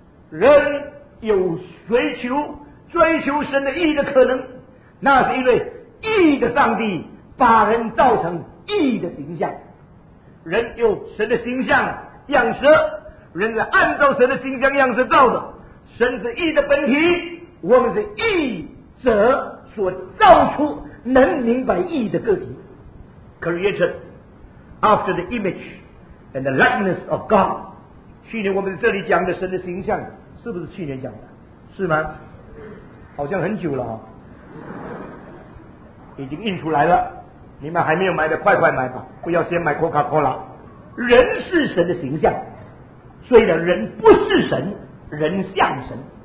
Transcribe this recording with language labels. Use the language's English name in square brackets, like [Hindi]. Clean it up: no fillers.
[Chinese] 人有追求神的义的可能，那是因为义的上帝把人造成义的形象。人有神的形象样式，人是按照神的形象样式造的。神是义的本体，我们是义者所造出能明白义的个体。 [English] Created after the image and the likeness of God。 [Chinese] 去年我们这里讲的神的形象，是不是去年讲的？是吗？好像很久了已经印出来了，你们还没有买的快快买吧，不要先买 Coca-Cola。人是神的形象，虽然人不是神，人像神。